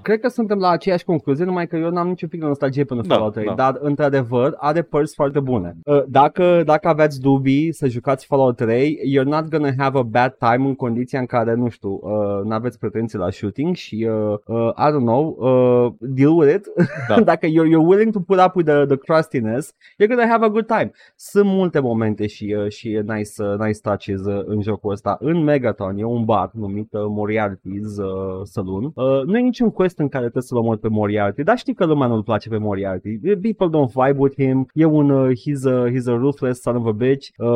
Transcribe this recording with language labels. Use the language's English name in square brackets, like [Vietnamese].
[Romanian] Cred că suntem la aceeași concluzie, numai că eu n-am niciun pic de nostalgie pentru Fallout 3. Da. Dar, într-adevăr, are părți foarte bune. Dacă aveți dubii să jucați Fallout 3, [English] you're not gonna have a bad time [Romanian] în condiția în care, nu știu, n-aveți pretenții la shooting și, [English] I don't know, deal with it. [Romanian] Da. [English] Dacă you're willing to put up with the crustiness, you're gonna have a good time. [Romanian] Sunt multe momente și nice touches în jocul ăsta. În Megaton e un bar numit Moriarty's Saloon. Nu e niciun quest în care trebuie să-l omori pe Moriarty, dar știi că lumea nu-l place pe Moriarty. [English] People don't vibe with him. [Romanian] E un [English] he's a ruthless son of a bitch.